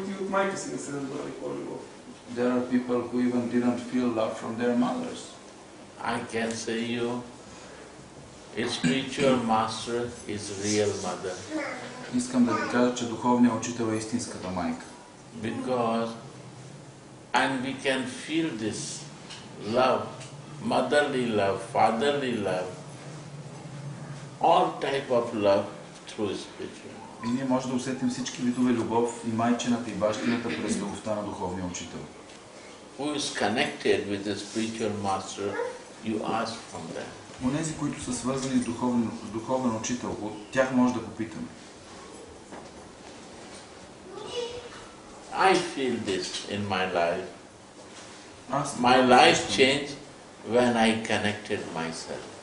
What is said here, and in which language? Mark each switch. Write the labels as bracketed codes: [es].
[en] There are people who even didn't feel love from their mothers. I can say you, a spiritual master is real mother. [bg] Искам да ви кажа, че духовният учител е истинската майка. [en] Because and we can feel this love, motherly love, fatherly love, all type of love through spirituality. [bg] И ние може да усетим всички видове любов и майчината и бащината през любовта на духовния учител. [en] Who is connected with the spiritual master, you ask from them. [bg] Онези, които са свързани с духовен учител, от тях може да попитаме. [en] I feel this in my life. My life changed when I connected myself.